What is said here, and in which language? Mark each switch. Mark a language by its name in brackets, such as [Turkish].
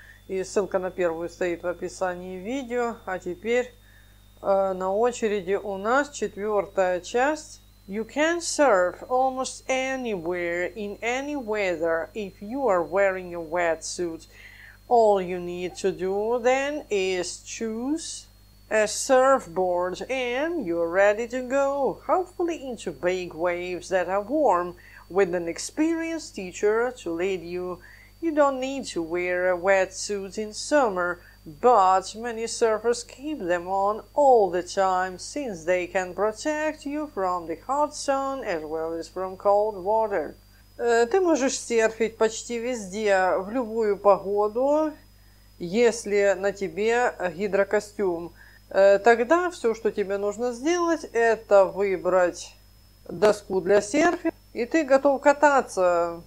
[Russian] И ссылка на первую стоит в описании видео. А теперь на очереди у нас четвертая часть. [English] You can serve almost anywhere in any weather if you are wearing a wetsuit. All you need to do then is choose a surfboard, and you're ready to go, hopefully into big waves that are warm, with an experienced teacher to lead you. You don't need to wear a wetsuit in summer, but many surfers keep them on all the time, since they can protect you from the hot sun as well as from cold water. [Russian] Ты можешь серфить почти везде, в любую погоду, если на тебе гидрокостюм. Тогда все, что тебе нужно сделать, это выбрать доску для серфинга, и ты готов кататься.